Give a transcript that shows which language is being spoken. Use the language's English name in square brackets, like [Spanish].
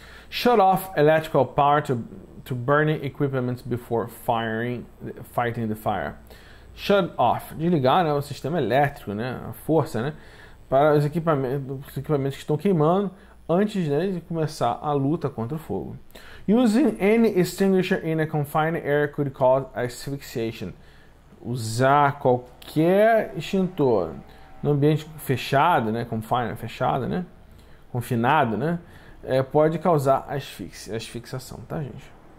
[English] Shut off electrical power to burning equipment before fighting the fire. Shut off, [Portuguese] desligar, né, o sistema elétrico, né, a força, né, para os equipamentos que estão queimando antes, né, de começar a luta contra o fogo. [English] Using any extinguisher in a confined area could cause asphyxiation. [Portuguese] Usar qualquer extintor no ambiente fechado, né, confined, fechado, né, confinado, né, pode causar asfixiação, tá, gente?